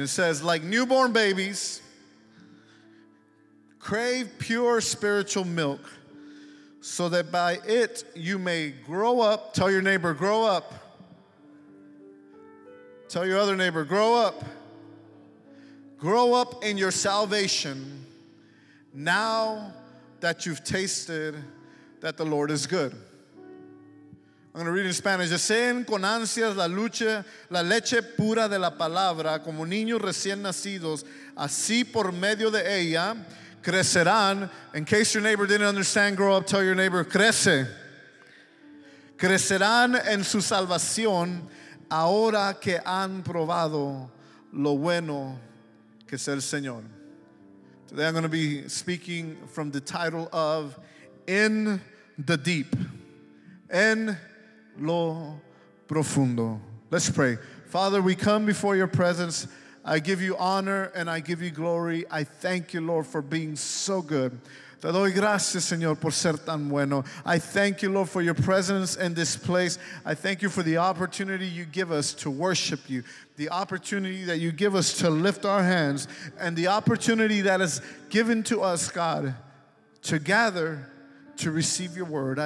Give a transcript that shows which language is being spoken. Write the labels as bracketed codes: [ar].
[en] It says, like newborn babies, crave pure spiritual milk so that by it you may grow up. Tell your neighbor, grow up. Tell your other neighbor, grow up. Grow up in your salvation now that you've tasted that the Lord is good. I'm going to read in Spanish. [es] Deseen con ansias la leche pura de la palabra como niños recién nacidos. Así por medio de ella crecerán. [en] In case your neighbor didn't understand, grow up, tell your neighbor, [es] crece. Crecerán en su salvación ahora que han probado lo bueno que es el Señor. [en] Today I'm going to be speaking from the title of In the Deep. In [es] lo profundo. [en] Let's pray. Father, we come before your presence. I give you honor and I give you glory. I thank you, Lord, for being so good. [es] Te doy gracias, Señor, por ser tan bueno. [en] I thank you, Lord, for your presence in this place. I thank you for the opportunity you give us to worship you, the opportunity that you give us to lift our hands, and the opportunity that is given to us, God, to gather to receive your word.